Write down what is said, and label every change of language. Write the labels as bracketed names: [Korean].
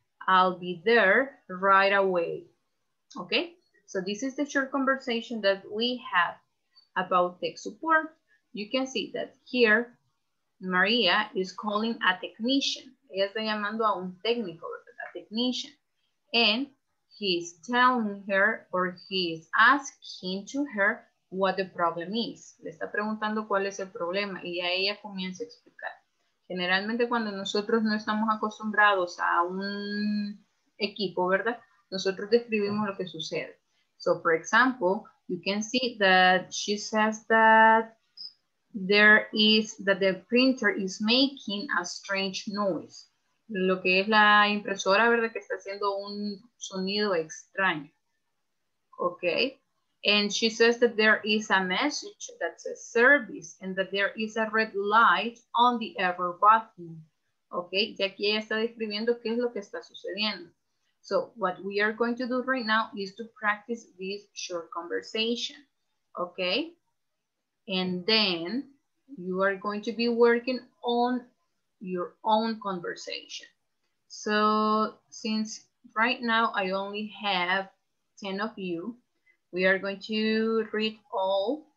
[English] I'll be there right away. Okay, so this is the short conversation that we have about tech support. You can see that here, Maria is calling a technician. [Spanish] Ella está llamando a un técnico, [English] a technician. And he's telling her, or he's asking to her, what the problem is. [Spanish] Le está preguntando cuál es el problema y ya ella comienza a explicar. Generalmente cuando nosotros no estamos acostumbrados a un equipo, ¿verdad? Nosotros describimos lo que sucede. [English] So, for example, you can see that she says that there is, that the printer is making a strange noise. [Spanish] Lo que es la impresora, ¿verdad? Que está haciendo un sonido extraño. Okay. [English] And she says that there is a message that says service and that there is a red light on the error button. [Spanish] Okay, y aquí ella está describiendo qué es lo que está sucediendo. [English] So what we are going to do right now is to practice this short conversation. Okay, and then you are going to be working on your own conversation. So since right now I only have 10 of you, we are going to read all.